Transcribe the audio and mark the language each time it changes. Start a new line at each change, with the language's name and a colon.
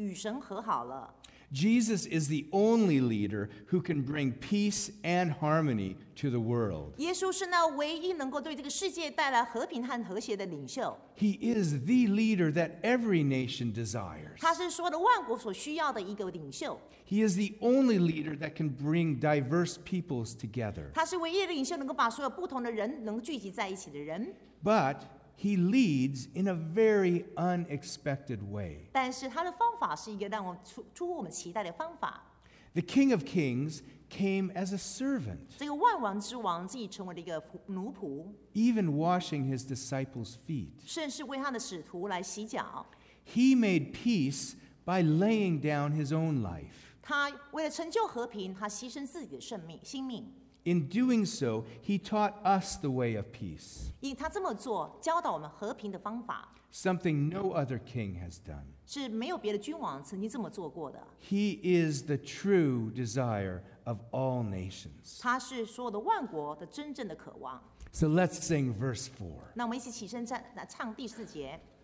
Chinese: 那在保罗的这里写着说，借着自己造成一个新人，如此便成就了和睦，既在十字架上灭了冤仇，便借着这十字架，使两下归为一体，与神和好了。Jesus
English: is the only leader who can bring peace and harmony to the world.
Chinese: 耶稣是那唯一能够对这个世界带来和平和谐的领袖。
English: He is the leader that every nation desires.
Chinese: 他是说的万国所需要的一个领袖。
English: He is the only leader that can bring diverse peoples together.
Chinese: 他是唯一领袖能够把所有不同的人能聚集在一起的人。
English: But he leads in a very unexpected way.
Chinese: 但是他的方法是一个让我出乎我们期待的方法。
English: The King of Kings came as a servant.
Chinese: 这个万王之王自己成为了一个奴仆。
English: Even washing his disciples' feet.
Chinese: 甚是为他的使徒来洗脚。
English: He made peace by laying down his own life.
Chinese: 他为了成就和平，他牺牲自己的生命。
English: In doing so, he taught us the way of peace.
Chinese: 因他这么做，教导我们和平的方法。
English: Something no other king has done.
Chinese: 是没有别的君王曾经这么做过的。
English: He is the true desire of all nations.
Chinese: 他是所有的万国的真正的渴望。
English: So let's sing verse 4.
Chinese: 那我们一起起身来唱第四节。